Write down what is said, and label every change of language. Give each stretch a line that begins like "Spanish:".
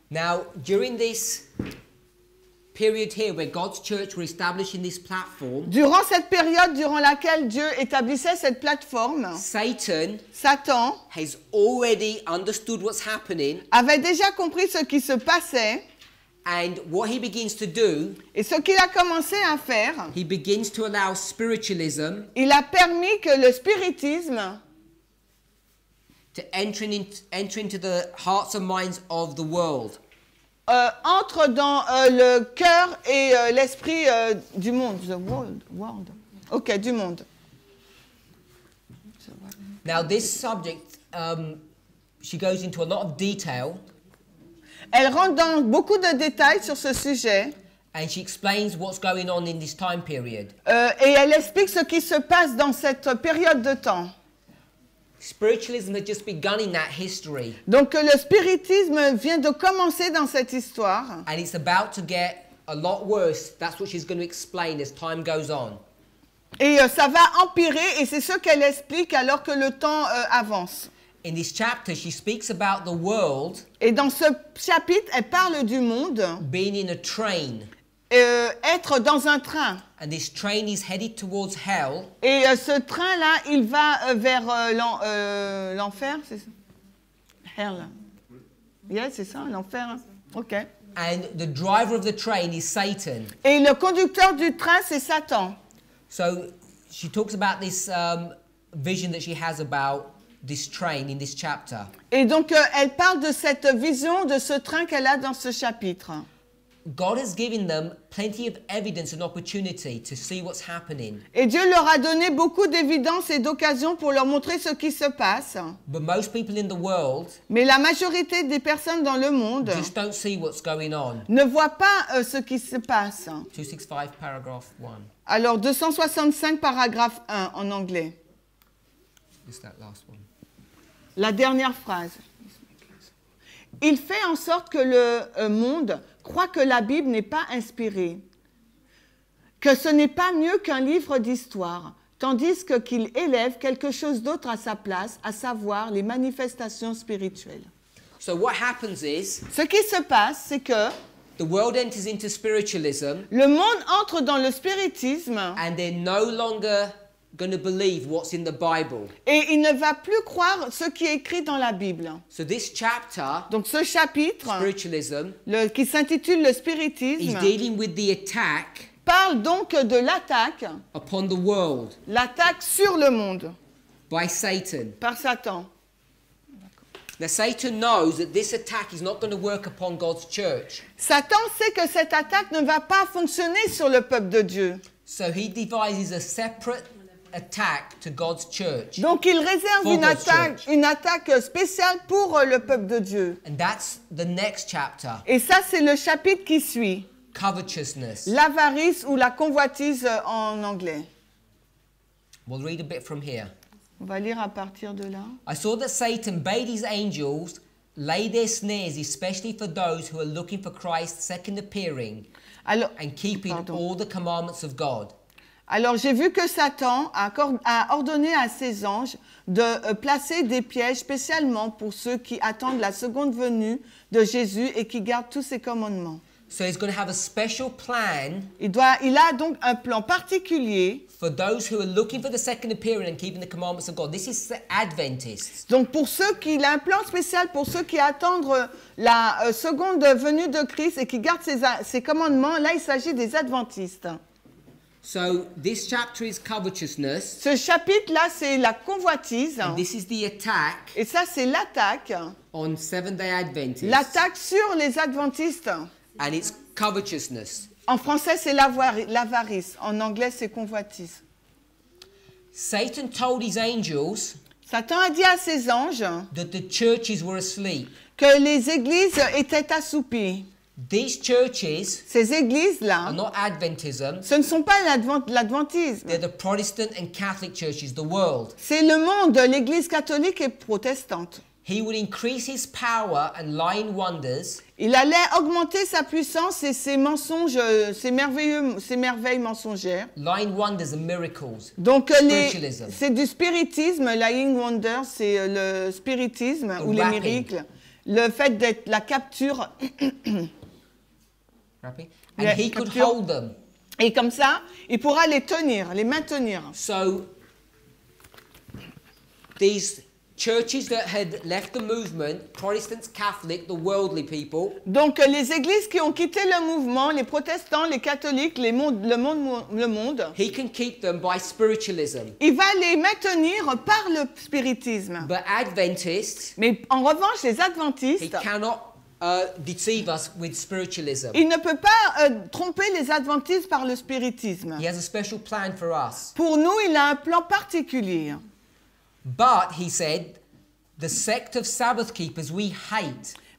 English: Now during this period here where God's church was establishing this platform.
French: Durant cette période durant laquelle Dieu établissait cette plateforme,
English: Satan has already understood what's happening.
French: Avait déjà compris ce qui se passait.
English: And what he begins to do.
French: Et ce qu'il a commencé à faire.
English: He begins to allow spiritualism.
French: Il a permis que le spiritisme
English: to enter into the hearts and minds of the world.
French: Entre dans le cœur et l'esprit du monde.
English: The world.
French: OK, du monde.
English: Now this subject, she goes into a lot of detail.
French: Elle rentre dans beaucoup de détails sur ce sujet.
English: And she explains what's going on in this time period.
French: Et elle explique ce qui se passe dans cette période de temps.
English: Spiritualism has just begun in that history.
French: Donc le spiritisme vient de commencer dans cette histoire.
English: And it's about to get a lot worse. That's what she's going to explain as time goes on.
French: Et ça va empirer, et c'est ce qu'elle explique alors que le temps avance.
English: In this chapter, she speaks about the world.
French: Et dans ce chapitre, elle parle du monde.
English: Being in a train.
French: Être dans un train.
English: And this train is headed towards hell.
French: Et ce train-là, il va vers l'enfer, c'est ça?
English: Hell. Yeah,
French: c'est ça, l'enfer. OK.
English: And the driver of the train is Satan.
French: Et le conducteur du train, c'est Satan.
English: So she talks about this vision that she has about this train in this chapter.
French: Et donc elle parle de cette vision de ce train qu'elle a dans ce chapitre.
English: God has given them plenty of evidence and opportunity to see what's happening.
French: Et Dieu leur a donné beaucoup d'évidence et d'occasion pour leur montrer ce qui se passe.
English: But most people in the world,
French: mais la majorité des personnes dans le monde,
English: just don't see what's going on.
French: Ne voient pas ce qui se passe.
English: 265 paragraph 1.
French: Alors 265 paragraphe 1 en anglais.
English: Is that last one?
French: La dernière phrase. Il fait en sorte que le monde croit que la Bible n'est pas inspirée, que ce n'est pas mieux qu'un livre d'histoire, tandis que qu'il élève quelque chose d'autre à sa place, à savoir les manifestations spirituelles.
English: So what happens is,
French: ce qui se passe, c'est que
English: the world enters into spiritualism,
French: le monde entre dans le spiritisme
English: and they're no longer going to believe what's in the Bible.
French: Et il ne va plus croire ce qui est écrit dans la Bible.
English: So this chapter,
French: donc ce chapitre,
English: spiritualism,
French: qui s'intitule le spiritisme,
English: is dealing with the attack,
French: parle donc de l'attaque
English: upon the world,
French: l'attaque sur le monde,
English: by Satan,
French: par Satan.
English: Now Satan knows that this attack is not going to work upon God's church.
French: Satan sait que cette attaque ne va pas fonctionner sur le peuple de Dieu.
English: So he devises a separate attack to God's church.
French: Donc il réserve une attaque spéciale pour le peuple de Dieu.
English: And that's the next chapter.
French: Et ça c'est le chapitre qui suit.
English: Covetousness.
French: L'avarice ou la convoitise en anglais.
English: We'll read a bit from here.
French: On va lire à partir de là.
English: I saw that Satan bade his angels lay their snares especially for those who are looking for Christ's second appearing and keeping all the commandments of God.
French: Alors, j'ai vu que Satan a ordonné à ses anges de placer des pièges spécialement pour ceux qui attendent la seconde venue de Jésus et qui gardent tous ses commandements.
English: So he's going to have a special plan.
French: Il a donc un plan particulier.
English: For those who are looking for the second appearing and keeping the commandments of God. This is the Adventists.
French: Donc pour ceux qui, il a un plan spécial pour ceux qui attendent la seconde venue de Christ et qui gardent ses commandements. Là, il s'agit des Adventistes.
English: So this chapter is covetousness.
French: Ce chapitre là c'est la convoitise.
English: And this is the attack.
French: Et ça c'est l'attaque.
English: On Seventh-day Adventists.
French: L'attaque sur les Adventistes.
English: And it's covetousness.
French: En français c'est l'avarice, en anglais c'est convoitise.
English: Satan told his angels.
French: Satan a dit à ses anges.
English: That the churches were asleep.
French: Que les églises étaient assoupies.
English: These churches,
French: ces églises-là,
English: are not Adventism.
French: Ce ne sont pas l'Adventisme.
English: They're the Protestant and Catholic churches, the world.
French: C'est le monde, l'Église catholique et protestante.
English: He would increase his power and lying wonders.
French: Il allait augmenter sa puissance et ses mensonges, ses merveilles mensongères.
English: Lying wonders and miracles.
French: Donc c'est du spiritisme,
English: lying wonders,
French: c'est le spiritisme ou les miracles. Le fait d'être la capture.
English: And yeah, he could hold them.
French: Et comme ça, il pourra les tenir, les maintenir.
English: So, these churches that had left the movement, Protestants, Catholic, the worldly people.
French: Donc les églises qui ont quitté le mouvement, les protestants, les catholiques, les le monde.
English: He can keep them by spiritualism.
French: Il va les maintenir par le spiritisme.
English: But Adventists.
French: Mais en revanche, les adventistes.
English: He cannot deceive us with spiritualism.
French: Il ne peut pas tromper les adventistes par le spiritisme.
English: He has a special plan for us.
French: Pour nous, il a un plan particulier.
English: But he said, the sect of Sabbath keepers we hate.